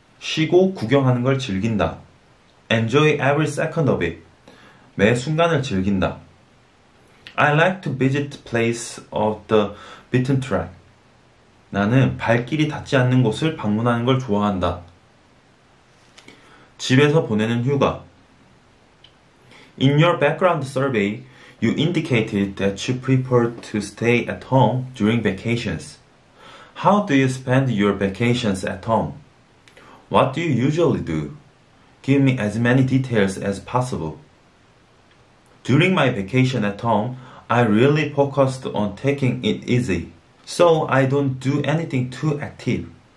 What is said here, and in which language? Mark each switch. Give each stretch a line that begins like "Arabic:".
Korean: 쉬고 구경하는 걸 즐긴다.
English: Enjoy every second of it.
Korean: 매 순간을 즐긴다.
English: I like to visit the place of the beaten track.
Korean: 나는 발길이 닿지 않는 곳을 방문하는 걸 좋아한다. 집에서 보내는 휴가.
English: In your background survey, you indicated that you prefer to stay at home during vacations. How do you spend your vacations at home? What do you usually do? Give me as many details as possible. During my vacation at home, I really focused on taking it easy, so I don't do anything too active.